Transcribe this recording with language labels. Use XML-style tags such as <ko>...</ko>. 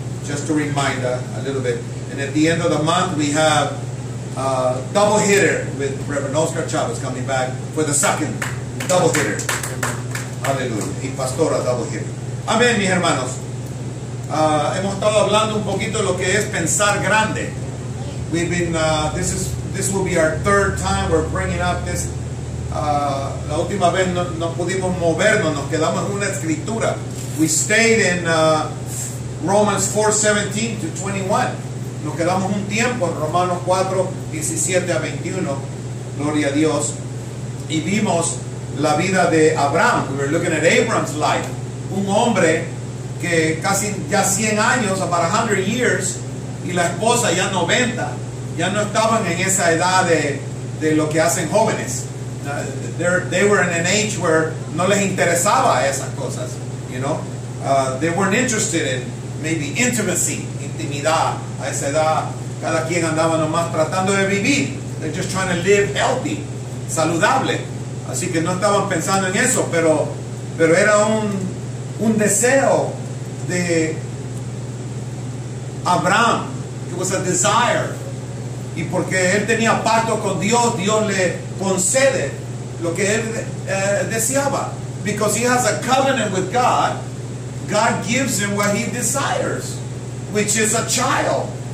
<en>Just to remind a little bit. And at the end of the month, we have a double hitter with Reverend Oscar Chavez coming back for the second double hitter.</en> <es>Hallelujah. Y pastora double hitter. Amén, mis hermanos. Hemos estado hablando un poquito de lo que es pensar grande.</es> <en>We've been, this will be our third time we're bringing up this.</en> <es>La última vez no pudimos movernos, nos quedamos en una escritura.</es> <en>We stayed in Romans 4:17 to 21.</en> <es>Nos quedamos un tiempo en Romanos 4:17 a 21. Gloria a Dios. Y vimos la vida de Abraham.</es> <en>We were looking at Abraham's life.</en> <es>Un hombre que casi ya 100 años,</es> <en>about 100 years,</en> <es>y la esposa ya 90. Ya no estaban en esa edad de lo que hacen jóvenes.</es> <en>They were in an age where</en> <es>no les interesaba esas cosas,</es> <en>you know. They weren't interested in maybe intimacy, intimidad.</en> <es>A esa edad, cada quien andaba nomás tratando de vivir.</es> <en>They're just trying to live healthy,</en> <es>saludable. Así que no estaban pensando en eso, pero era un deseo de Abraham.</es> <en>It was a desire.</en> <es>Y porque él tenía pacto con Dios, Dios le concede lo que él deseaba.</es> <en>Because he has a covenant with God, God gives him what he desires, which is a child.</en>